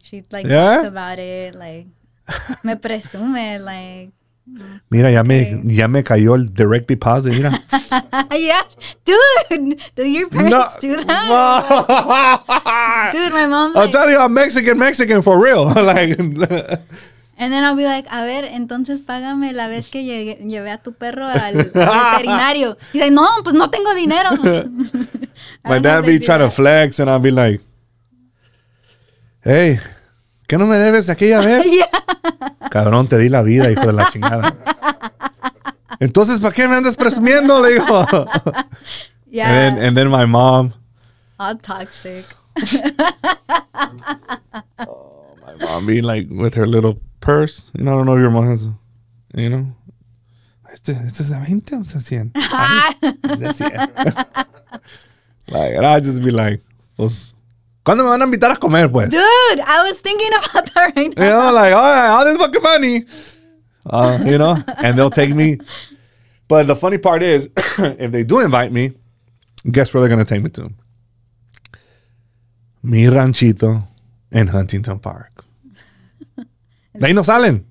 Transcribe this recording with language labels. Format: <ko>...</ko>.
<en>She like talks about it like.</en> <es>Me presume, like. Mira, ya, okay. ya me cayó el direct deposit, mira.</es> <en>Yeah, dude, do your parents do that? No. Dude, my mom's I'll tell you, I'm Mexican for real. Like, And then I'll be like,</en> <es>a ver, entonces págame la vez que llevé a tu perro al veterinario.</es> <en>He's like,</en> <es>no, pues no tengo dinero.</es> <en>My dad be trying to flex, and I'll be like, hey,</en> <es>¿qué no me debes aquella vez? Cabrón, te di la vida, hijo de la chingada. Entonces, ¿para qué me andas presumiendo? Le digo.</es> <en>Yeah. And then my mom. All toxic. Oh, my mom being like with her little purse. You know, I don't know if your mom has, you know.</en> <es>¿Esto es de 20 o de 100? Es de 100.</es> <en>Like, I'd just be like,</en> <es>pues, ¿cuándo me van a invitar a comer, pues?</es> <en>Dude, I was thinking about that right now. You know, like, all right, all this fucking money. You know, and they'll take me. But the funny part is, if they do invite me, guess where they're going to take me to?</en> <es>Mi ranchito in Huntington Park. They no salen.</es>